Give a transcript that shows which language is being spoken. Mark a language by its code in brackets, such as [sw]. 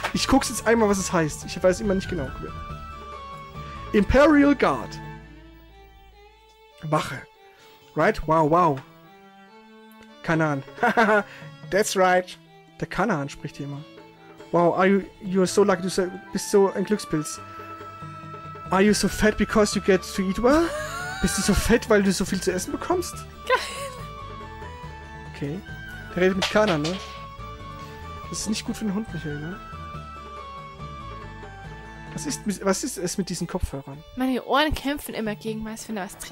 [de] Ich guck's jetzt einmal, was es heißt. Ich weiß immer nicht genau. Imperial Guard. Wache. Right? Wow, wow. Kanan. [en] That's right. [de] Der Kanan spricht hier immer. [en] Wow, you're so lucky. [de] Du bist so ein Glückspilz. [en] Are you so fat because you get to eat well? [de] Bist du so fett, weil du so viel zu essen bekommst? Geil. Okay. Der redet mit Kanan, ne? Das ist nicht gut für den Hund, Michael, ne? Was ist es mit diesen Kopfhörern? Meine Ohren kämpfen immer gegen was, wenn du was trinkst.